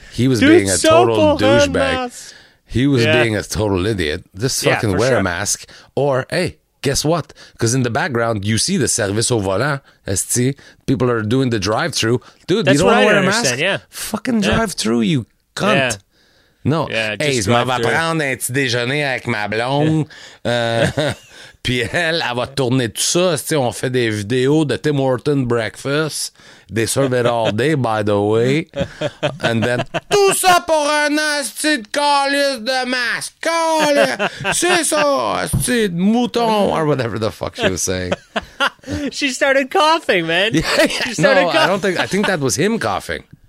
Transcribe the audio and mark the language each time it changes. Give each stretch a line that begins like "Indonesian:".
English: He was being a total douchebag. He was being a total idiot. Just fucking wear a mask. Or, hey, guess what? Because in the background, you see the
French: service au volant.
English: Esti, people are doing the drive-through. Dude, you don't want to wear a mask? Fucking drive-through, you cunt. Yeah. No. Yeah,
French: hey, je m'en vais prendre un petit déjeuner avec ma blonde. Puis elle va tourner tout ça. T'sais, on fait des vidéos de Tim Horton Breakfast.
English: They serve it all day, by the way. And then,
French: tout ça pour un asti de calice de masque. Calice. C'est ça, asti de mouton.
English: Or whatever the fuck she was saying. She started coughing, man. I don't think. I think that was him coughing.